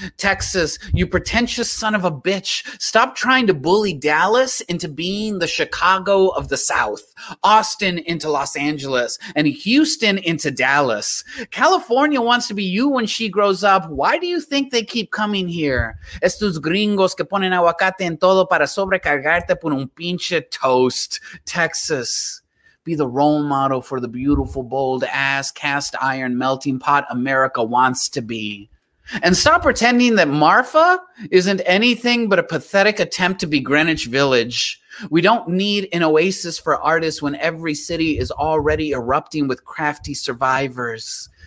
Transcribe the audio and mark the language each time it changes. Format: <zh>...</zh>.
<en>Texas, you pretentious son of a bitch. Stop trying to bully Dallas into being the Chicago of the South. Austin into Los Angeles. And Houston into Dallas. California wants to be you when she grows up. Why do you think they keep coming here?</en> <es>Estos gringos que ponen aguacate en todo para sobrecargarte por un pinche toast.</es> <en>Texas, be the role model for the beautiful, bold ass, cast iron melting pot America wants to be. And stop pretending that Marfa isn't anything but a pathetic attempt to be Greenwich Village. We don't need an oasis for artists when every city is already erupting with crafty survivors.</en>